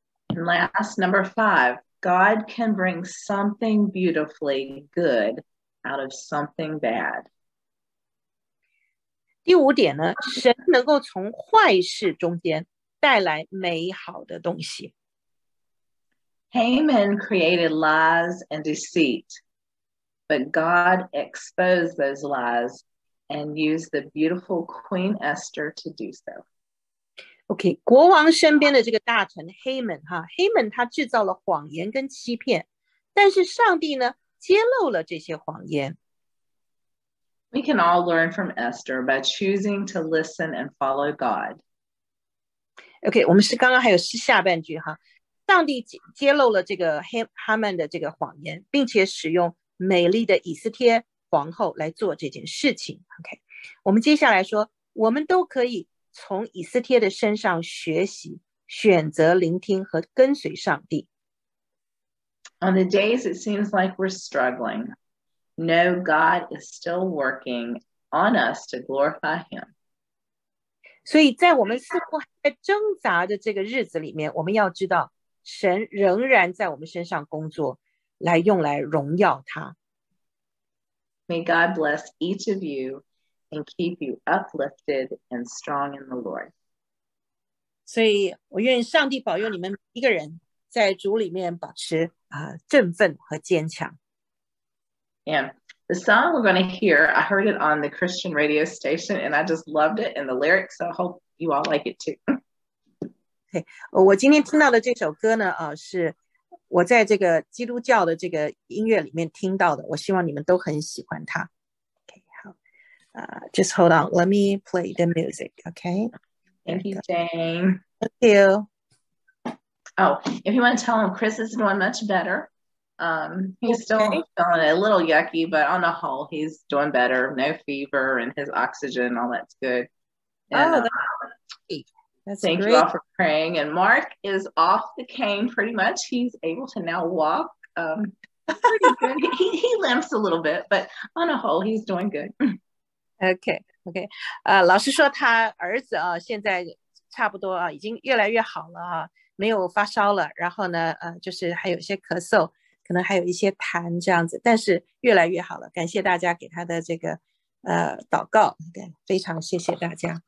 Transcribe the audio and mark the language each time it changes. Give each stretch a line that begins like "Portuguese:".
English: And last, number five, God can bring something beautifully good out of something bad.
Chinese: 第五点呢，神能够从坏事中间带来美好的东西。
English: Haman created lies and deceit, but God exposed those lies and used the beautiful Queen Esther to do so.
Chinese: Okay, 国王身边的这个大臣 Haman, Haman 他制造了谎言跟欺骗，但是上帝呢，揭露了这些谎言。
English: We can all learn from Esther by choosing to listen and follow God.
Chinese: Okay, 我们是刚刚还有下半句哈。上帝揭露了这个哈曼的这个谎言，并且使用美丽的以斯帖皇后来做这件事情。
English: Okay.
Chinese: 我们接下来说，我们都可以从以斯帖的身上学习，选择聆听和跟随上帝。
English: On the days it seems like we're struggling, No, God is still working on us to glorify him.
Chinese: 所以在我们似乎还在挣扎的这个日子里面，我们要知道神仍然在我们身上工作，来用来荣耀他。
English: May God bless each of you and keep you uplifted and strong in the Lord.
Chinese: 所以我愿上帝保佑你们一个人在主里面保持振奋和坚强。
English: Yeah, the song we're going to hear, I heard it on the Christian radio station and I just loved it and the lyrics, so I hope you all like it too.
Chinese: Okay, 我今天听到的这首歌呢是我在这个基督教的这个音乐里面听到的，我希望你们都很喜欢它。
English: Okay, 好just hold on, let me play the music, okay? Thank you, Jane. Thank you. Oh, if you want to tell him Chris is doing much better. He's still feeling a little yucky, but on the whole, he's doing better. No fever and his oxygen, all that's good. And, that's great. Thank you all for praying. And Mark is off the cane pretty much. He's able to now walk. He limps a little bit, but on the whole, he's doing good. Okay.
Chinese: 老师说他儿子现在差不多已经越来越好了没有发烧了，然后呢就是还有一些咳嗽，可能还有一些痰这样子，但是越来越好了，感谢大家给他的这个祷告，对，非常谢谢大家。